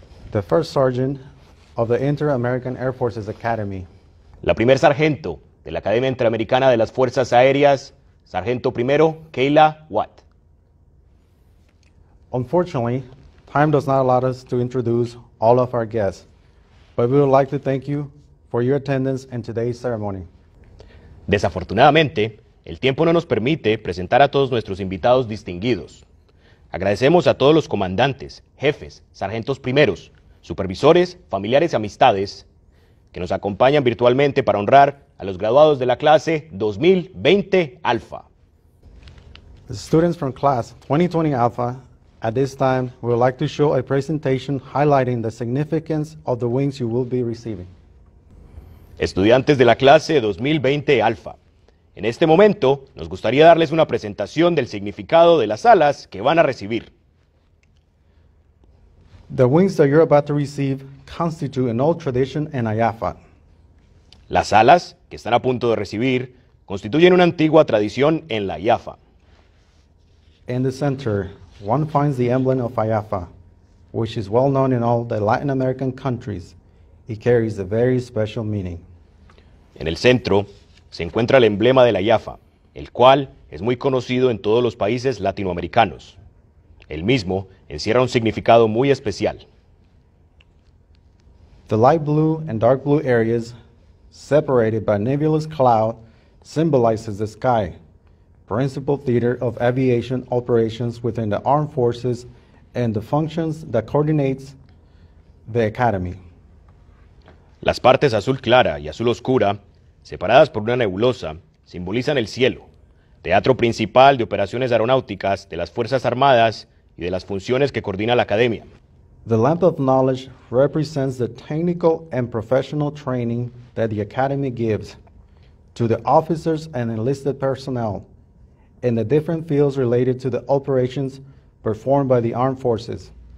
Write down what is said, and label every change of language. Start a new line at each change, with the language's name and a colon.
English: The First Sergeant of the Inter-American Air Forces Academy.
Spanish: La Primer Sargento de la Academia Interamericana de las Fuerzas Aéreas, Sargento Primero Kayla Watt.
English: Unfortunately, time does not allow us to introduce all of our guests, but we would like to thank you for your attendance in today's ceremony.
Spanish: Desafortunadamente, el tiempo no nos permite presentar a todos nuestros invitados distinguidos. Agradecemos a todos los comandantes, jefes, sargentos primeros, supervisores, familiares y amistades que nos acompañan virtualmente para honrar a los graduados de la clase 2020 Alpha.
English: The students from class 2020 Alpha, at this time, we would like to show a presentation highlighting the significance of the wings you will be receiving.
Spanish: Estudiantes de la clase 2020 Alpha, en este momento nos gustaría darles una presentación del significado de las alas que van a recibir.
English: The wings that you're about to receive constitute an old tradition in IAFA.
Spanish: Las alas que están a punto de recibir constituyen una antigua tradición en la IAFA.
English: In the center, one finds the emblem of IAFA, which is well known in all the Latin American countries. It carries a very special meaning.
Spanish: En el centro se encuentra el emblema de la IAFA, el cual es muy conocido en todos los países latinoamericanos. El mismo encierra un significado muy especial.
English: The light blue and dark blue areas, separated by a nebulous cloud, symbolizes the sky, principal theater of aviation operations within the armed forces and the functions that coordinates the academy.
Spanish: Las partes azul clara y azul oscura, separadas por una nebulosa, simbolizan el cielo, teatro principal de operaciones aeronáuticas de las Fuerzas Armadas y de las funciones que coordina la Academia.
English: The lamp of knowledge represents the technical and professional training that the Academy gives to the officers and enlisted personnel in the different fields related to the operations performed by the armed forces.